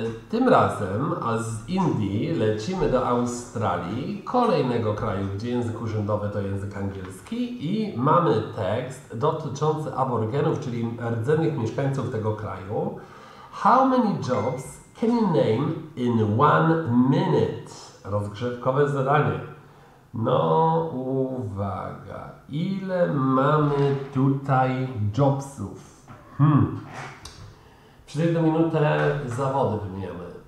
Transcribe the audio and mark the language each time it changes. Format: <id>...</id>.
<pl>Tym razem, a z Indii, lecimy do Australii, kolejnego kraju, gdzie język urzędowy to język angielski, i mamy tekst dotyczący aborygenów, czyli rdzennych mieszkańców tego kraju.</pl> <en>How many jobs can you name in 1 minute?</en> <pl>Rozgrzewkowe zadanie. No, uwaga, ile mamy tutaj jobsów? Przez jedną minutę zawody wymieniamy.</pl>